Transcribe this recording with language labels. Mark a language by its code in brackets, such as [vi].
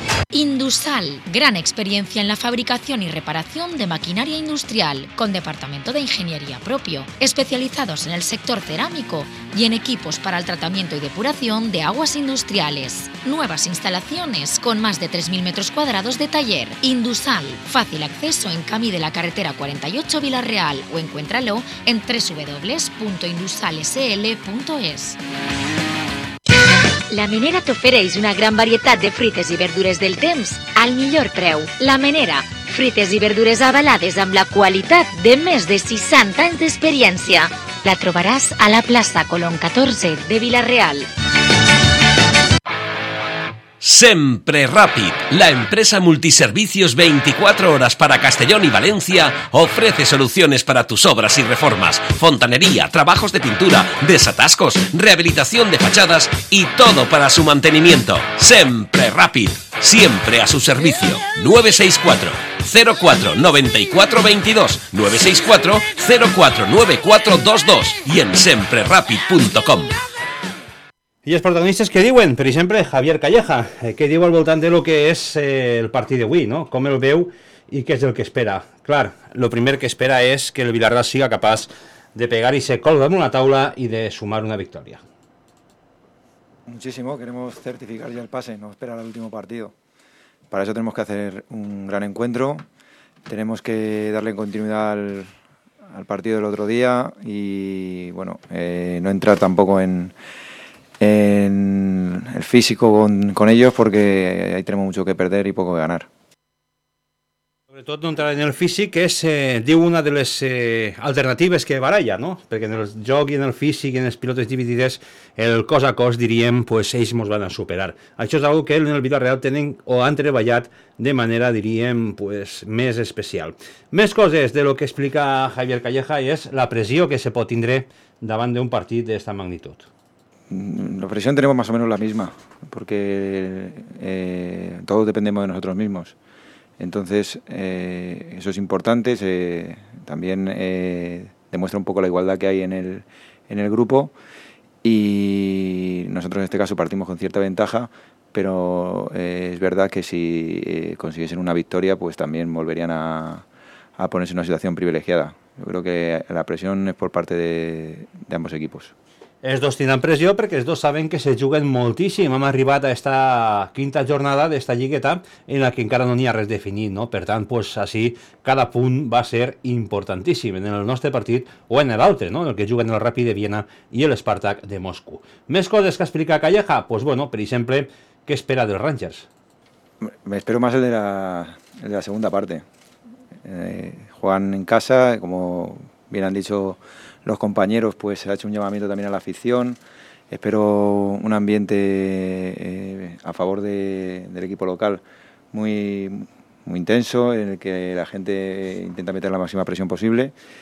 [es] Indusal, gran experiencia en la fabricación y reparación de maquinaria industrial, con departamento de ingeniería propio, especializados en el sector cerámico y en equipos para el tratamiento y depuración de aguas industriales. Nuevas instalaciones con más de 3.000 metros cuadrados de taller. Indusal, fácil acceso en Camí de la carretera 48 Villarreal o encuéntralo en www.indusalsl.es. [ca] La Menera t'ofereix una gran varietat de frites i verdures del temps al millor preu. La Menera, frites i verdures avalades amb la qualitat de més de 60 anys d'experiència. La trobaràs a la plaça Colom 14 de Villarreal. [es] Sempre Ràpid, la empresa multiservicios 24 horas para Castellón y Valencia, ofrece soluciones para tus obras y reformas, fontanería, trabajos de pintura, desatascos, rehabilitación de fachadas y todo para su mantenimiento. Sempre Ràpid, siempre a su servicio. 964-049422, 964-049422 y en semprerapid.com. [ca] I els protagonistes què diuen? Per exemple, Javier Calleja, què diu al voltant de lo que és el partit d'avui, no? Com el veu [es] y qué es lo que espera. Claro, lo primero que espera es que el Villarreal siga capaz de pegar y se colga en una tabla y de sumar una victoria. Muchísimo, queremos certificar ya el pase, no esperar al último partido. Para eso tenemos que hacer un gran encuentro, tenemos que darle continuidad al partido del otro día y bueno, no entrar tampoco en el físico con ellos, porque ahí tenemos mucho que perder y poco que ganar. Sobre todo no entrar en el físico, que es una de las alternativas que baralla, ¿no? Porque en el joc y en el físico y en los pilotos divididos, [ca] el cos a cos, [es] dirían, pues ellos nos van a superar. [ca] Això és algo que en el Villarreal tenen o han treballat de manera, dirían, pues més especial. Més coses [es] de lo que explica Javier Calleja es la presión que [ca] se pot tindre davant d'un partit d'esta magnitud. [es] La presión tenemos más o menos la misma, porque todos dependemos de nosotros mismos. Entonces, eso es importante, también demuestra un poco la igualdad que hay en el grupo, y nosotros en este caso partimos con cierta ventaja, pero es verdad que si consiguiesen una victoria, pues también volverían a ponerse en una situación privilegiada. Yo creo que la presión es por parte de ambos equipos. [ca] Els dos tindran pressió perquè els dos saben que se juguen moltíssim. Hem arribat a esta quinta jornada d'esta lligueta en la que encara no n'hi ha res definit, no? Per tant, pues, així, cada punt va ser importantíssim en el nostre partit o en l'altre, no? En el que juguen el Rapid de Viena i l'Spartak de Moscú. Més coses que explica Calleja? Pues bueno, per exemple, què espera dels Rangers? [es] Me espero más el de la segunda parte. Juegan en casa, como bien han dicho los compañeros, pues se ha hecho un llamamiento también a la afición. Espero un ambiente a favor del equipo local muy, muy intenso, en el que la gente intenta meter la máxima presión posible.